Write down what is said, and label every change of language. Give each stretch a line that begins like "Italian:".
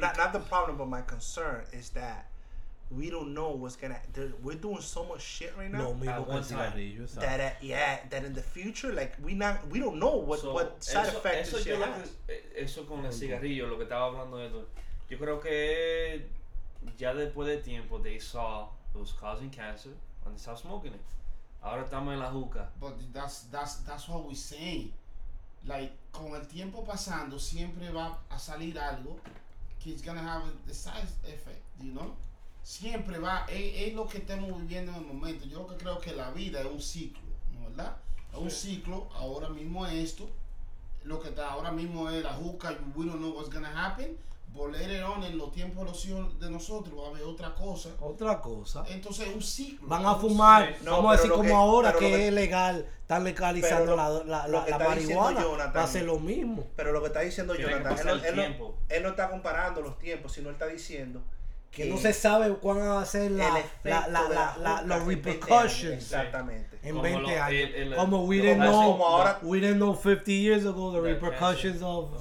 English: Not the problem, but my concern is that we don't know what's gonna... We're doing so much shit right now.
Spanish: Lo mismo con cigarrillos.
English: That in the future, like, we don't know what side effects this shit has.
Spanish: Eso con el cigarrillo, lo que estaba hablando de eso. Yo creo que ya después de tiempo,
English: they saw it was causing cancer and they stopped smoking it.
Spanish: Ahora estamos en la juca.
English: But that's what we say. Like,
Spanish: con el tiempo pasando, siempre va a salir algo que
English: is gonna have a side effect, you know?
Spanish: Siempre va, es lo que estamos viviendo en el momento. Yo lo que creo que la vida es un ciclo, ¿no verdad? Es un ciclo, ahora mismo es esto. Lo que está ahora mismo es la juca,
English: we don't know what's gonna happen.
Spanish: Volver on en los tiempos de los hijos de nosotros, va a haber otra cosa. Otra cosa. Entonces es un ciclo. Van a fumar, vamos a decir como ahora que es legal, están legalizando la marihuana, va a ser lo mismo. Pero lo que está diciendo Jonathan, él no está comparando los tiempos, sino él está diciendo que no se sabe cuándo va a ser los repercussions. Exactamente. En 20 años. Como
English: we didn't know, we didn't know 50 years ago the repercussions of